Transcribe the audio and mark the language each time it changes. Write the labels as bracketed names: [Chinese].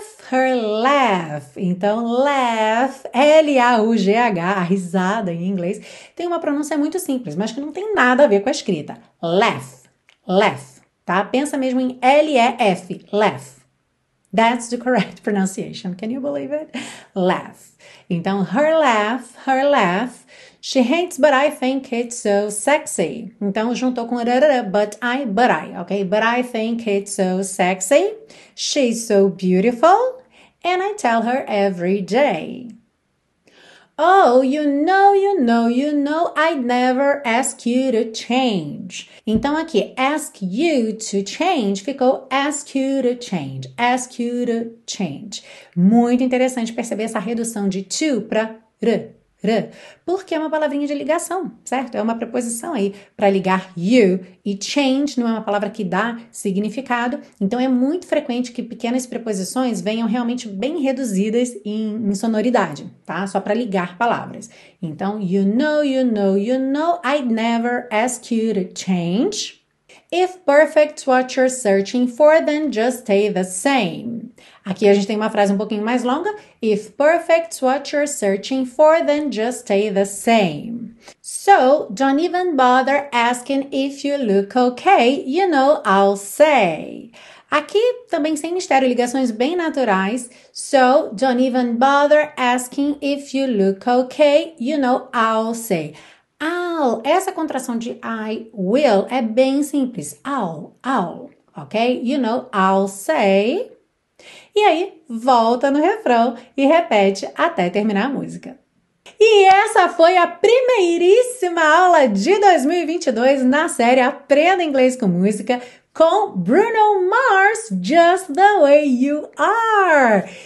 [English] Her laugh, [Portuguese] então laugh, L-A-U-G-H, a risada em inglês, tem uma pronúncia muito simples, mas que não tem nada a ver com a escrita. Laugh, laugh, tá? Pensa mesmo em L-E-F, laugh. [English] That's the correct pronunciation. Can you believe it? Laugh. [Portuguese] Então, [English] her laugh, she hates, but I think it's so sexy. [Portuguese] Então, juntou com [English] but I, [Portuguese] okay? [English] But I think it's so sexy. She's so beautiful, and I tell her every day. Oh, you know, I'd never ask you to change. [Portuguese] Então aqui, [English] ask you to change [Portuguese] ficou ask you to change, ask you to change. Muito interessante perceber essa redução de to para r, porque é uma palavrinha de ligação, certo? É uma preposição aí para ligar you e change não é uma palavra que dá significado. Então é muito frequente que pequenas preposições venham realmente bem reduzidas em sonoridade, tá? Só para ligar palavras. Então, [English] you know, I'd never ask you to change. If perfect's what you're searching for, then just stay the same. [Portuguese] Aqui a gente tem uma frase um pouquinho mais longa. [English] If perfect's what you're searching for, then just stay the same. So, don't even bother asking if you look okay, you know I'll say. [Portuguese] Aqui também sem mistério, ligações bem naturais. [English] So, don't even bother asking if you look okay, you know I'll say. [Portuguese] I'll, essa contração de I will é bem simples. [English] I'll, ok? You know I'll say. [Portuguese] E aí, volta no refrão e repete até terminar a música. E essa foi a primeiríssima aula de 2022 na série Aprenda Inglês com Música com Bruno Mars, Just the Way You Are.